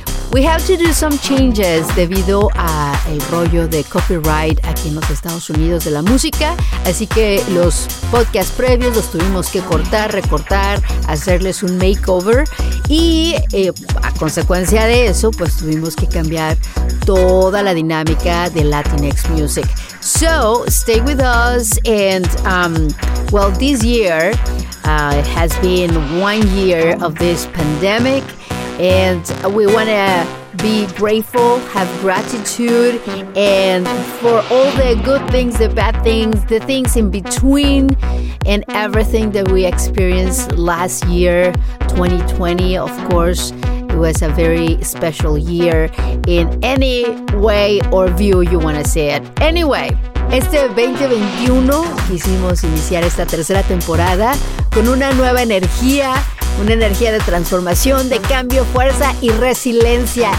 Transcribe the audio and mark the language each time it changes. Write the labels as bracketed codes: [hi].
[en] We have to do some changes [es] debido a el rollo de copyright aquí en los Estados Unidos de la música, así que los podcasts previos los tuvimos que cortar, recortar, hacerles un makeover y a consecuencia de eso, pues tuvimos que cambiar toda la dinámica de Latinx Music. [en] So, stay with us and, well, this year has been 1 year of this pandemic. And we want to be grateful, have gratitude, and for all the good things, the bad things, the things in between, and everything that we experienced last year, 2020, of course, it was a very special year in any way or view you want to say it. [es] Anyway, este 2021 quisimos iniciar esta tercera temporada con una nueva energía. Una energía de transformación, de cambio, fuerza y resiliencia.